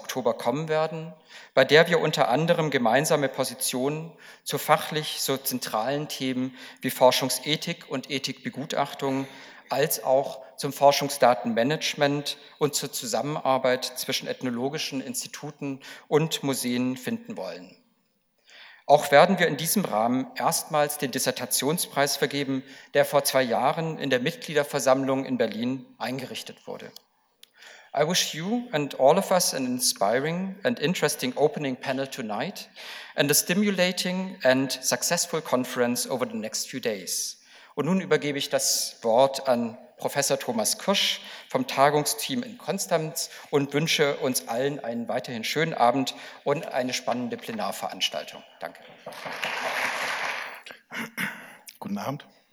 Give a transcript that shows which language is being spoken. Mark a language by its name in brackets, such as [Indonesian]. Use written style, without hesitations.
[German] Oktober kommen werden, bei der wir unter anderem gemeinsame Positionen zu fachlich so zentralen Themen wie Forschungsethik und Ethikbegutachtung als auch zum Forschungsdatenmanagement und zur Zusammenarbeit zwischen ethnologischen Instituten und Museen finden wollen. Auch werden wir in diesem Rahmen erstmals den Dissertationspreis vergeben, der vor 2 Jahren in der Mitgliederversammlung in Berlin eingerichtet wurde. [English] I wish you and all of us an inspiring and interesting opening panel tonight and a stimulating and successful conference over the next few days. [German] Und nun übergebe ich das Wort an Professor Thomas Kirsch vom Tagungsteam in Konstanz und wünsche uns allen einen weiterhin schönen Abend und eine spannende Plenarveranstaltung. Danke. Guten Abend.